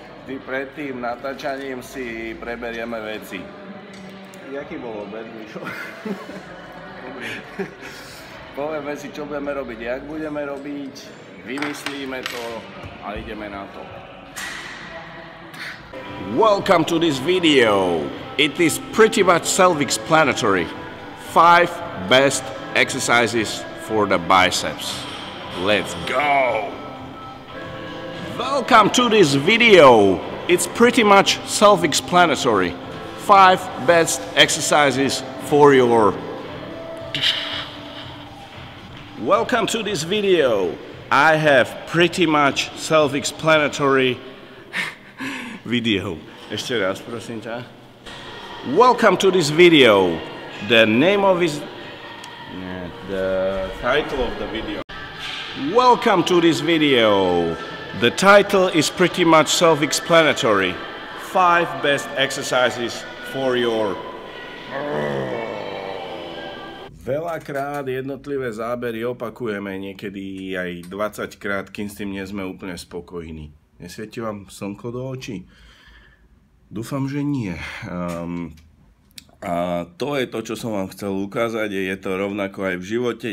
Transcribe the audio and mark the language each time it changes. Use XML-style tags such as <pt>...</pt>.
<sk>Ty pred tým natáčaním si preberieme veci. Jaký bol obed, Mišo? Povieme si, čo budeme robiť, jak budeme robiť, vymyslíme to a ideme na to.</sk> <en>Welcome to this video. It is pretty much self-explanatory. 5 best exercises for the biceps. Let's go! Welcome to this video. It's pretty much self-explanatory. 5 best exercises for your... Welcome to this video. I have pretty much self-explanatory video.</en> <sk>Ešte raz, prosím ťa.</sk> <en>Welcome to this video. The name of this... The title of the video. Welcome to this video. The title is pretty much self-explanatory. 5 best exercises for your...</en> <sk>Veľakrát jednotlivé zábery opakujeme, niekedy aj 20 krát, kým s tým nie sme úplne spokojní. Nesvieti vám slnko do očí? Dúfam, že nie. A to je to, čo som vám chcel ukázať. Je to rovnako aj v živote.</sk>